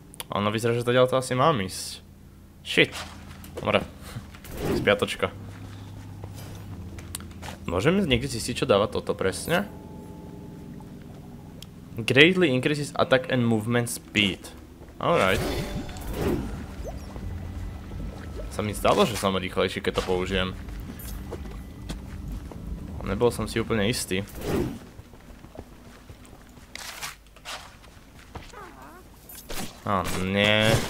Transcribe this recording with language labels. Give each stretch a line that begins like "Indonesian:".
Slovak: Ono vyzerá, že to ďalej to asi mám ísť. Shit. Dobre. Spiatočka. Môžem niekde zistiť, čo dáva toto presne?
English: Greatly increases attack and movement speed. Alright.
Slovak: Sa mi zdalo, že som rýchlejší, keď to použijem. Nebol som si úplne istý. A nie.